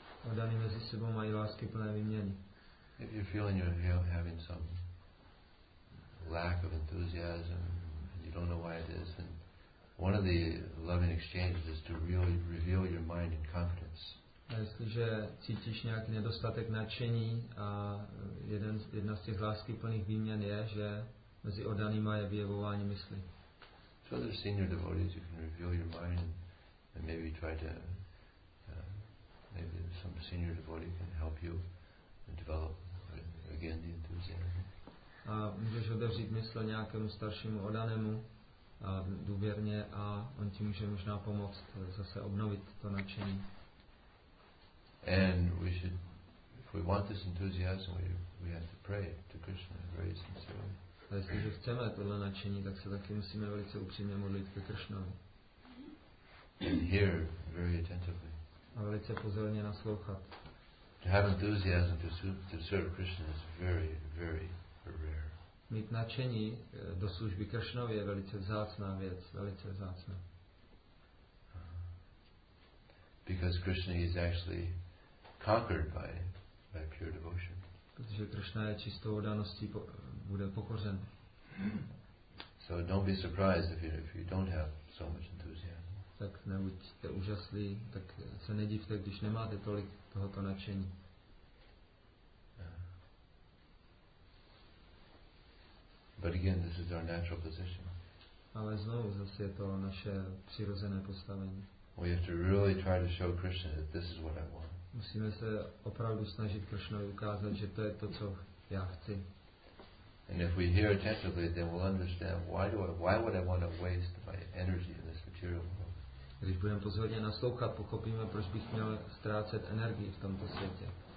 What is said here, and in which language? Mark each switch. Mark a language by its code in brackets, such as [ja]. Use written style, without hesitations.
[cs] Oddaní mezi sebou mají lásky plné výměny. [en] If you're feeling you're having some lack of enthusiasm, and you don't know why it is, and one of the loving exchanges is to really reveal your mind in confidence. [cs] A jestliže cítíš nějaký nedostatek nadšení a jedna z těch lásky plných výměn je, že mezi oddanými je vyjevování mysli. [en] So there's senior devotees, you can reveal your mind. And maybe try to maybe some senior devotee can help you develop again the enthusiasm. [cs] A můžeš odevřít mysl nějakému staršímu odanému důvěrně a on ti může možná pomoct zase obnovit to nadšení. [en] And we should, if we want this enthusiasm, we have to pray to Krishna very sincerely. [cs] A jestliže chceme tohle nadšení, tak se taky musíme velice upřímně modlit ke Krishnovi. [en] Hear very attentively. [cs] A velice pozorně naslouchat. [en] To have enthusiasm to serve Krishna is very, very rare. [cs] Mít nadšení do služby Krishnovi je velice vzácná věc, velice vzácná. [en] Because Krishna is actually conquered by pure devotion. [cs] Protože Krishna je čistou oddaností bude pokořen. [en] So don't be surprised if you don't have so much enthusiasm. [cs] Tak nebuďte úžasný, tak se nedivte, když nemáte tolik tohoto nadšení. [en] But again, this is our natural position. [cs] Ale znovu zase je to naše přirozené postavení. [en] We have to really try to show Krishna that this is what I want. [cs] Musíme se opravdu snažit Krishnovi ukázat, že to je to, co já chci. [en] And if we hear attentively, then we'll understand why would I want to waste my energy in this material world. [cs] Když budeme pozorně naslouchat, pochopíme, proč bych měl ztrácet energii v tomto světě.